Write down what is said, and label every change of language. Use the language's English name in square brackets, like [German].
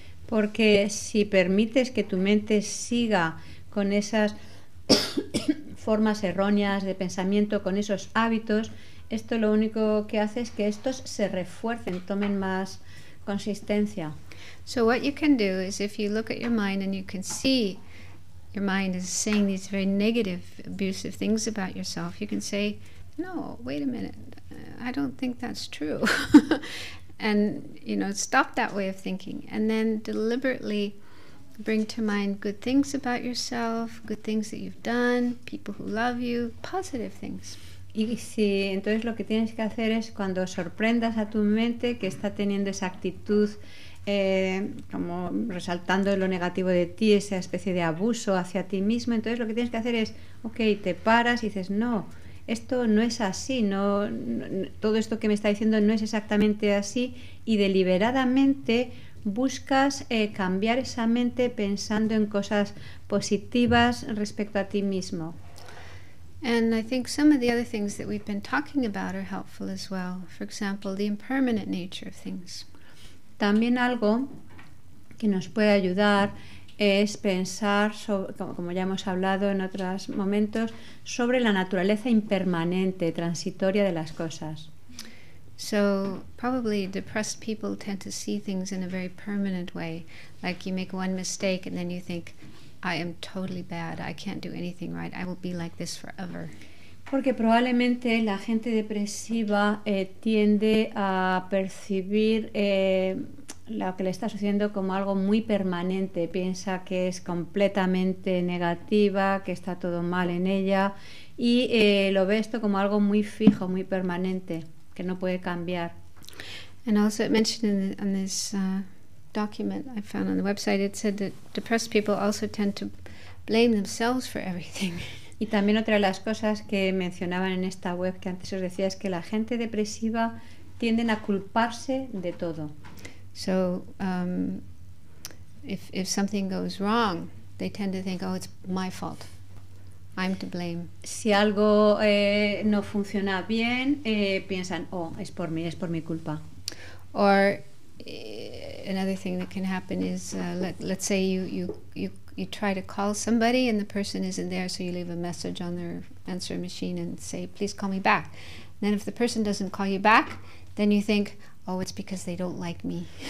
[Spanish] Porque si permites que tu mente siga con esas formas erróneas de pensamiento, con esos hábitos, esto lo único que hace es que estos se refuercen, tomen más consistencia. [English] So what you can do is if you look at your mind and you can see your mind is saying these very negative, abusive things about yourself, you can say, no, wait a minute, I don't think that's true. And, you know, stop that way of thinking. And then deliberately bring to mind good things about yourself, good things that you've done, people who love you, positive things. [Spanish] Y si entonces lo que tienes que hacer es cuando sorprendas a tu mente que está teniendo esa actitud como resaltando lo negativo de ti, esa especie de abuso hacia ti mismo, entonces lo que tienes que hacer es, okay, te paras y dices, no, esto no es así, todo esto que me está diciendo no es exactamente así, y deliberadamente buscas cambiar esa mente pensando en cosas positivas respecto a ti mismo. [English] And I think some of the other things that we've been talking about are helpful as well. For example, the impermanent nature of things. [Spanish] También algo que nos puede ayudar es pensar, como ya hemos hablado en otros momentos, sobre la naturaleza impermanente, transitoria de las cosas. [English] So probably depressed people tend to see things in a very permanent way. Like you make one mistake and then you think, I am totally bad. I can't do anything right. I will be like this forever. [Spanish] Porque probablemente la gente depresiva tiende a percibir lo que le está sucediendo como algo muy permanente. Piensa que es completamente negativa, que está todo mal en ella, y lo ve esto como algo muy fijo, muy permanente, que no puede cambiar. [English] And also it mentioned in this document I found on the website, it said that depressed people also tend to blame themselves for everything. [Spanish] Y también otra de las cosas que mencionaban en esta web que antes os decía es que la gente depresiva tienden a culparse de todo. [English] So if something goes wrong, they tend to think, oh, it's my fault, I'm to blame. [Spanish] Si algo no funciona bien, piensan, oh, es por mi culpa. [English] Or another thing that can happen is let's say you try to call somebody and the person isn't there, so you leave a message on their answering machine and say, please call me back. And then if the person doesn't call you back, then you think, oh, it's because they don't like me.